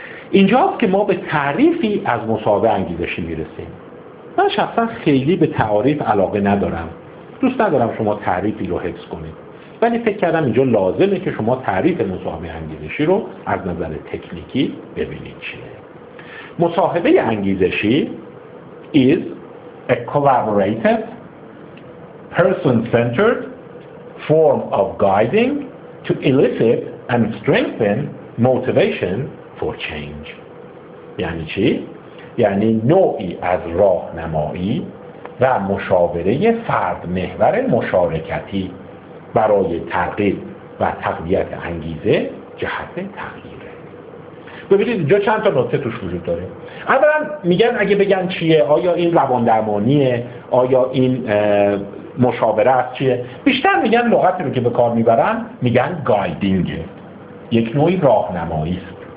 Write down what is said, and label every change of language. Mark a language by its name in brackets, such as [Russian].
[Persian] اینجاست که ما به تعریفی از مصاحبه انگیزشی میرسیم. من شخصا خیلی به تعاریف علاقه ندارم، دوست ندارم شما تعریفی رو حفظ کنید، ولی فکر کردم اینجا لازمه که شما تعریف مصاحبه انگیزشی رو از نظر تکنیکی ببینید چیه. مصاحبه انگیزشی [English] is a collaborative, person-centered form of guiding to elicit and strengthen motivation for change. [Persian] یعنی چی؟ یعنی نوعی از راه نمایی و مشاوره فرد محور مشارکتی برای ترغیب و تقویت انگیزه جهت تغییره. ببینید اینجا چند تا نکته توش وجود داره. اولا میگن اگه بگن چیه، آیا این روان درمانیه، آیا این مشاوره است، چیه، بیشتر میگن لغتی رو که به کار میبرن میگن گایدینگ، یک نوعی راهنمایی است.